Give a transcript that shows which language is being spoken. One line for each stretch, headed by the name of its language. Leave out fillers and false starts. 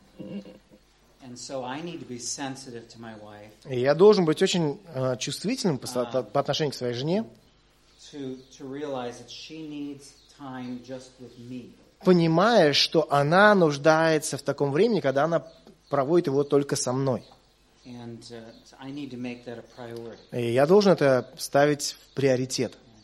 English: And so I need to be sensitive to my wife.
Russian: И я должен быть очень чувствительным по отношению к своей жене.
English: To realize that she needs time just with me.
Russian: Понимая, что она нуждается в таком времени, когда она проводит его только со мной. И я должен это ставить в приоритет.